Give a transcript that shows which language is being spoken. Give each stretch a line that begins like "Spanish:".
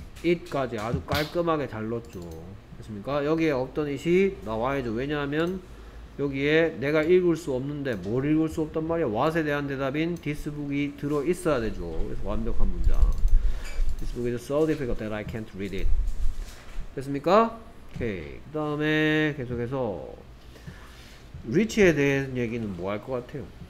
Korean: it까지 아주 깔끔하게 잘 넣었죠. 됐습니까? 여기에 없던 it이 나와야죠. 왜냐하면 여기에 내가 읽을 수 없는데 뭘 읽을 수 없단 말이야. what에 대한 대답인 this book이 들어 있어야 되죠. 그래서 완벽한 문장.
English: this book is so difficult that I can't read it.
Korean: 됐습니까? 오케이. 그 다음에 계속해서 rich에 대한 얘기는 뭐 할 것 같아요?